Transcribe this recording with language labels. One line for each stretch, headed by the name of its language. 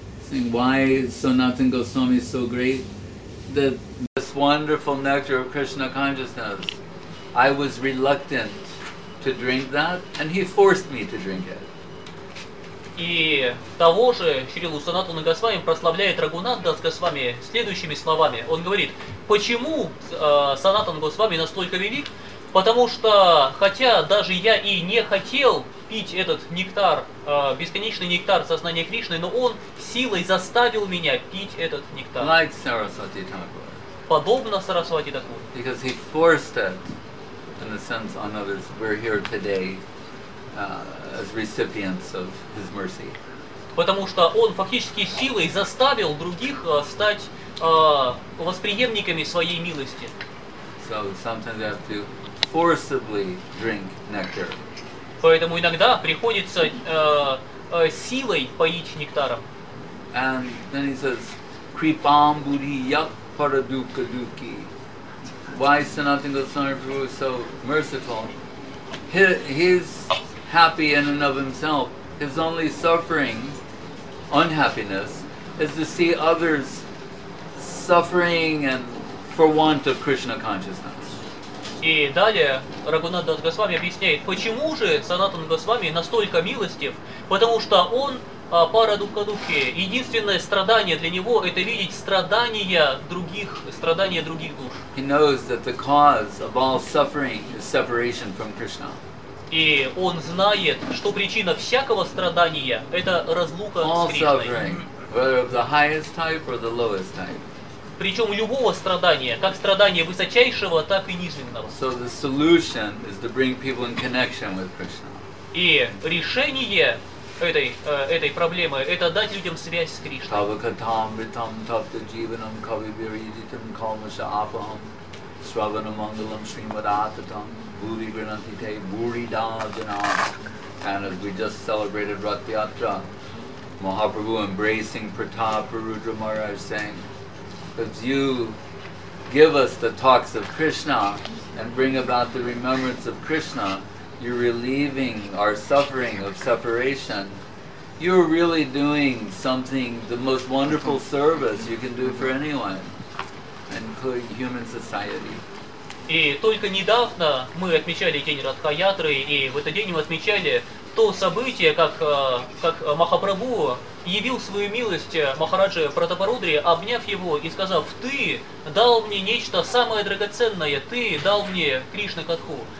English: Saying, why is Sanatana Goswami so great? That this wonderful nectar of Krishna consciousness, I was reluctant to drink that, and he forced me to drink it.
Russian: И того же Шрилу Санатану Госвами прославляет Рагунат Дас Госвами следующими словами. Он говорит, почему Санатан Госвами настолько велик? Потому что, хотя даже я и не хотел пить этот нектар, бесконечный нектар сознания Кришны, но он силой заставил меня пить этот нектар.
English: Like Sarasvati Thakur.
Russian: Подобно Сарасвати Такур.
English: Because he forced it, in a sense, on others. We're here today as recipients of his mercy.
Russian: Потому что он фактически силой заставил других стать восприемниками своей милости.
English: So sometimes you have to forcibly drink nectar.
Russian: Поэтому иногда приходится силой поить нектаром.
English: And then he says,
Sanskrit: Kripam Budhi Yap Paraduka Duki.
English: Why is Sanatana Goswami Prabhu so merciful? He's happy in and of himself. His only suffering, unhappiness, is to see others suffering and for want of Krishna consciousness.
Russian: И далее Рагунат Дас Госвами объясняет, почему же Санатана Госвами настолько милостив, потому что он
Sanskrit: Парадукадуке.
Russian: Единственное страдание для него – это видеть страдания других душ.
English: He knows that the cause of all suffering is separation from Krishna.
Russian: И он знает, что причина всякого страдания – это разлука
English: all
Russian: с Кришной.
English: All suffering, whether of the highest type or the lowest type.
Russian: Причем любого страдания, как страдания высочайшего, так и низменного.
English: So the solution is to bring people in connection with Krishna.
Russian: И решение этой проблемы – это дать людям связь с Кришной.
Sanskrit: Тавакатам ритам тапта дживанам кавибиридитам калмаша апахам сраванамангалам шримадататам бури гранатите бури даджанам.
English: And as we just celebrated Ratha Yatra, Mahaprabhu embracing Pratapa Rudra Maharaj saying, if you give us the talks of Krishna and bring about the remembrance of Krishna, you're relieving our suffering of separation. You're really doing something, the most wonderful service you can do for anyone, including human society.
Russian: И только недавно мы отмечали день Ратха Ятры, и в этот день мы отмечали то событие, как Махапрабху явил свою милость Махараджи Пратапарудри, обняв его и сказав: «Ты дал мне нечто самое драгоценное, ты дал мне Кришна Катху».